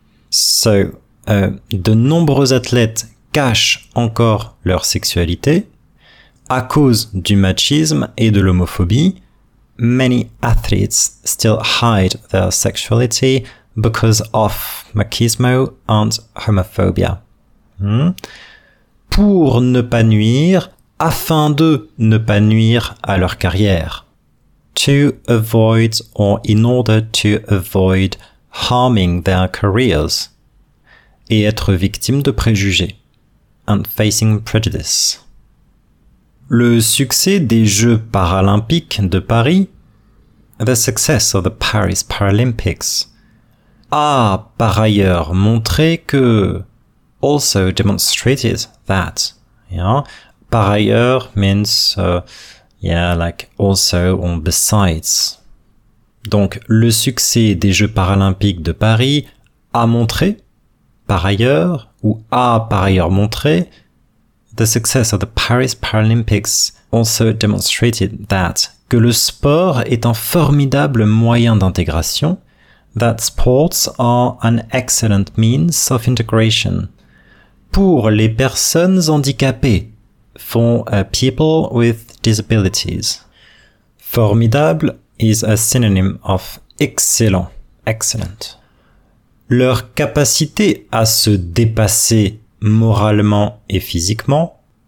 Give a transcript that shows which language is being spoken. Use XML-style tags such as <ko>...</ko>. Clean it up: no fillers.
<fr>So, de nombreux athlètes cachent encore leur sexualité à cause du machisme et de l'homophobie.</fr> <en>Many athletes still hide their sexuality because of machismo and homophobia.</en> <fr>Pour ne pas nuire, afin de ne pas nuire à leur carrière.</fr> <en>To avoid or in order to avoid harming their careers.</en> <fr>Et être victime de préjugés.</fr> <en>And facing prejudice.</en> <fr>Le succès des Jeux paralympiques de Paris.</fr> <en>The success of the Paris Paralympics</en> <fr>a par ailleurs montré que</fr> <en>also demonstrated that par ailleurs means like also or besides.</en> <fr>Donc le succès des Jeux paralympiques de Paris a montré par ailleurs ou a par ailleurs montré.</fr> <en>The success of the Paris Paralympics also demonstrated that</en> <fr>que le sport est un formidable moyen d'intégration,</fr> <en>that sports are an excellent means of integration</en> <fr>pour les personnes handicapées,</fr> <en>for people with disabilities. Formidable is a synonym of excellent, excellent.</en> <fr>Leur capacité à se dépasser moralement et physiquement.</fr>